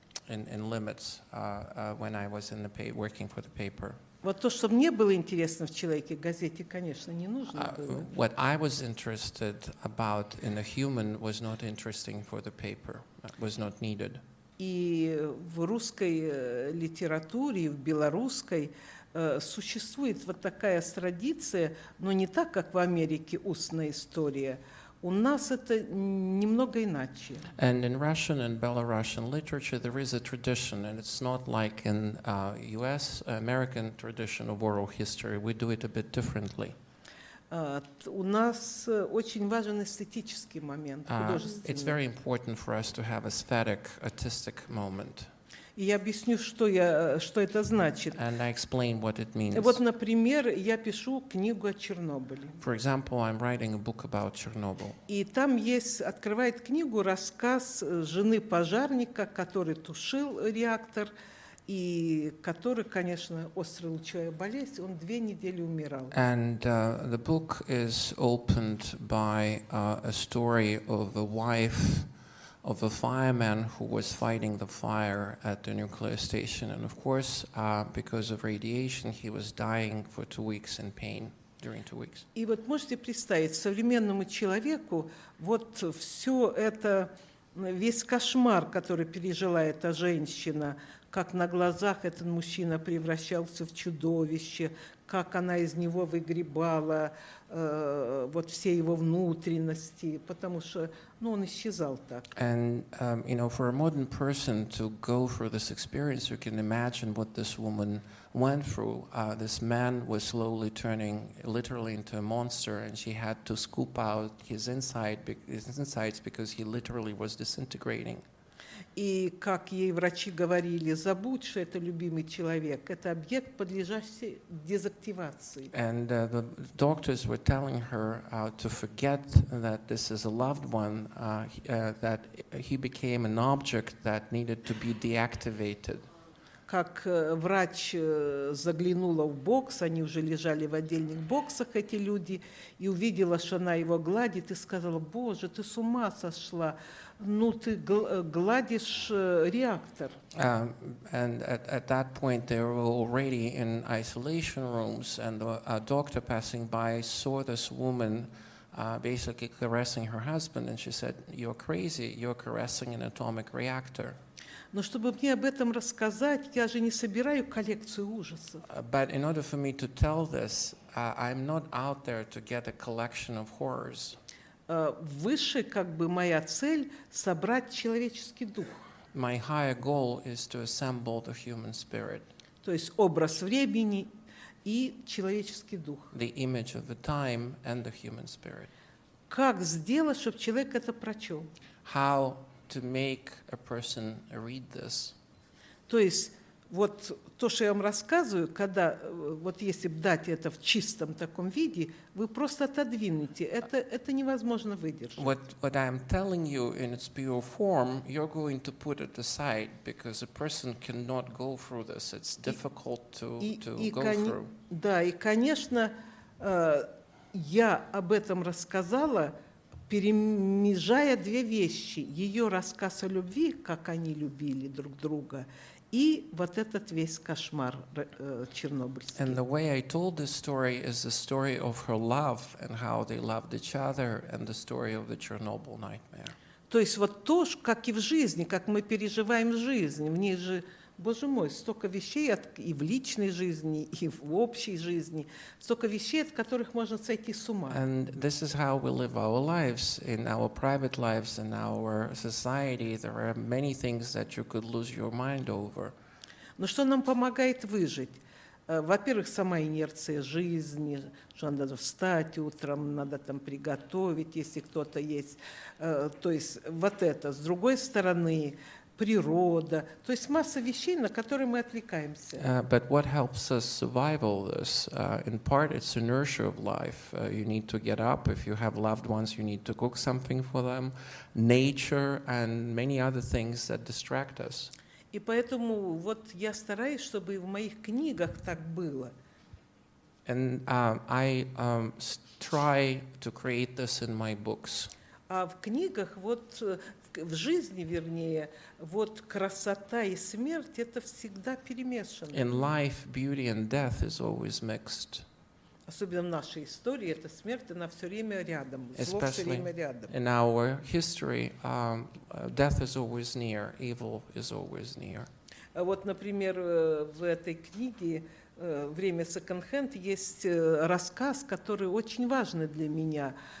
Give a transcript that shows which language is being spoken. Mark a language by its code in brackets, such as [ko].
[en] in limits when I was in the working for the paper. [ru] Вот то, что мне было интересно в человеке, газете, конечно, не нужно было. [en] What I was interested about in a human was not interesting for the paper. Was not needed. [ru] И в русской литературе, в белорусской существует вот такая традиция, но не так, как в Америке устная история. У нас это немного иначе. [en] And in Russian and Belarusian literature, there is a tradition, and it's not like in U.S. American tradition of oral history. We do it a bit differently. [ru] У нас очень важен эстетический момент, художественный. [en] It's very important for us to have aesthetic, artistic moment. [ru] И я объясню, что это значит. [en] And I explain what it means. [ru] Вот, например, я пишу книгу о Чернобыле. [en] For example, I'm writing a book about Chernobyl. [ru] И там есть, открывает книгу, рассказ жены пожарника, который тушил реактор, и который, конечно, острая лучевая болезнь, он две недели умирал. [en] And the book is opened by a story of a wife of a fireman who was fighting the fire at the nuclear station. And of course, because of radiation, he was dying for 2 weeks in pain during 2 weeks. [ru] И вот можете представить, современному человеку вот все это, весь кошмар, который пережила эта женщина, как на глазах этот мужчина превращался в чудовище, как она из него выгребала вот все его внутренности, потому что, ну, он исчезал так. [en] And, you know, for a modern person to go through this experience, you can imagine what this woman went through. This man was slowly turning literally into a monster, and she had to scoop out his insides because he literally was disintegrating. [ru] И как ей врачи говорили, забудь, что это любимый человек, это объект, подлежащий дезактивации. [en] And the doctors were telling her to forget that this is a loved one, that he became an object that needed to be deactivated. [ru] Как врач заглянула в бокс, они уже лежали в отдельных боксах, эти люди, и увидела, что она его гладит, и сказала, «Боже, ты с ума сошла! Ну, ты гладишь реактор!» [en] And at that point, they were already in isolation rooms, and a doctor passing by saw this woman basically caressing her husband, and she said, «You're crazy, you're caressing an atomic reactor!» [ru] Но чтобы мне об этом рассказать, я же не собираю коллекцию ужасов. [en] But in order for me to tell this, I'm not out there to get a collection of horrors. [ru] Выше, как бы, моя цель — собрать человеческий дух. [en] My higher goal is to assemble the human spirit. [ru] То есть образ времени и человеческий дух. [en] The image of the time and the human spirit. [ru] Как сделать, чтобы человек это прочел? [en] How to make a person read this. [ru] То есть, вот то, что я вам рассказываю, когда, вот если бы дать это в чистом таком виде, вы просто отодвинете. Это невозможно выдержать. [en] What I'm telling you in its pure form, you're going to put it aside because a person cannot go through this. It's difficult to go through. [ru] Да, и, конечно, я об этом рассказала, перемежая две вещи, ее рассказ о любви, как они любили друг друга, и вот этот весь кошмар чернобыльский. [en] And the way I told this story is the story of her love and how they loved each other and the story of the Chernobyl nightmare. [ru] То есть вот то, как и в жизни, как мы переживаем жизнь, в ней же, Боже мой, столько вещей и в личной жизни, и в общей жизни, столько вещей, от которых можно сойти с ума. [en] And this is how we live our lives, in our private lives, in our society. There are many things that you could lose your mind over. [ru] Но что нам помогает выжить? Во-первых, сама инерция жизни, что надо встать утром, надо там приготовить, если кто-то есть. То есть вот это. С другой стороны, природа, то есть масса вещей, на которые мы отвлекаемся. [en] But what helps us survive all this? In part, it's inertia of life. You need to get up. If you have loved ones, you need to cook something for them. Nature and many other things that distract us. [ru] И поэтому вот я стараюсь, чтобы в моих книгах так было. [en] And I try to create this in my books. [ru] А в книгах вот в жизни, вернее, вот красота и смерть это всегда перемешано. [en] In life, beauty and death is always mixed. [ru] Особенно в нашей истории эта смерть она все время рядом, [en] Especially [ru] зло все время рядом. [en] In our history, death is always near, evil is always near. [ru] Вот, например, в этой книге «Время секонд-хенд» есть рассказ, который очень важный для меня.